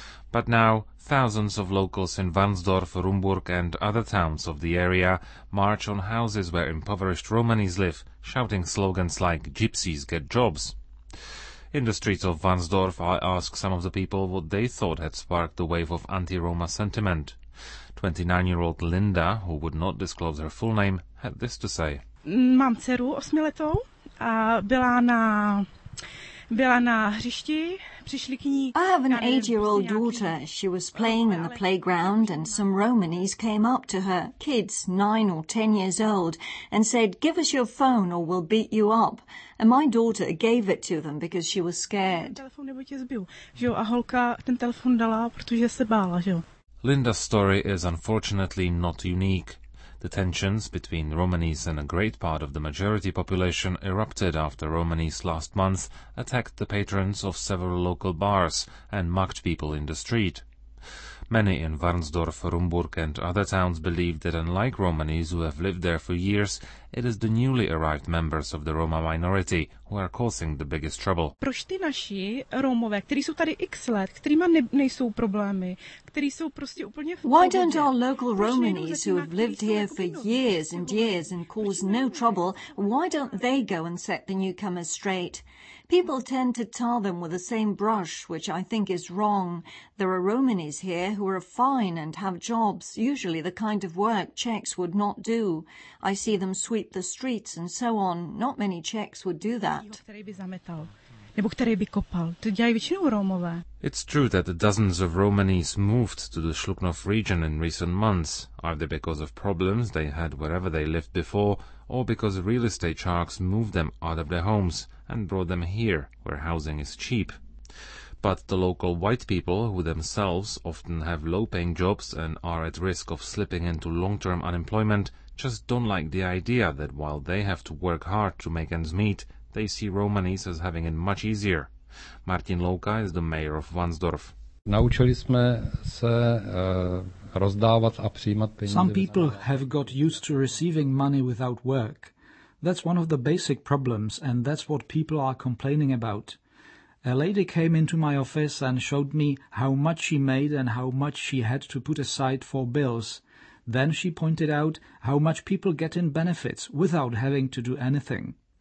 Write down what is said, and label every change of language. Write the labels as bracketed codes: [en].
[en] But now, thousands of locals in Varnsdorf, Rumburg and other towns of the area march on houses where impoverished Romanis live, shouting slogans like "Gypsies get jobs." In the streets of Varnsdorf, I asked some of the people what they thought had sparked the wave of anti-Roma sentiment. 29-year-old Linda, who would not disclose her full name, had this to say. [cs] Mám dceru osmiletou a byla na hřišti, přišli k ní. [en] I have an 8-year-old daughter. She was playing in the playground and some Romanis came up to her, kids 9 or 10 years old, and said, "Give us your phone or we'll beat you up." And my daughter gave it to them because she was scared. [cs] Telefon nebo tě zbiju. Že jo, a holka ten telefon dala, protože se bála, že jo. [en] Linda's story is unfortunately not unique. The tensions between Romanis and a great part of the majority population erupted after Romanis last month attacked the patrons of several local bars and mugged people in the street. Many in Varnsdorf, Rumburg and other towns believe that unlike Romanis who have lived there for years, it is the newly arrived members of the Roma minority who are causing the biggest trouble. [cs] Proč ty naši Romové, kteří jsou tady x let, kteří mají nejsou problémy, kteří jsou prostě úplně v pohodě. [en] Why don't our local Romanis who have lived here for years and years and cause no trouble, why don't they go and set the newcomers straight? People tend to tar them with the same brush, which I think is wrong. There are Romanis here who are fine and have jobs, usually the kind of work Czechs would not do. I see them sweep the streets and so on. Not many Czechs would do that. It's true that dozens of Romanis moved to the Shluknov region in recent months, either because of problems they had wherever they lived before, or because real estate sharks moved them out of their homes and brought them here, where housing is cheap. But the local white people, who themselves often have low-paying jobs and are at risk of slipping into long-term unemployment, just don't like the idea that while they have to work hard to make ends meet, they see Romanis as having it much easier. Martin Louka is the mayor of Varnsdorf. [cs] Naučili jsme se rozdávat a přijímat peníze. [en] Some people have got used to receiving money without work. That's one of the basic problems, and that's what people are complaining about. A lady came into my office and showed me how much she made and how much she had to put aside for bills. Then she pointed out how much people get in benefits without having to do anything.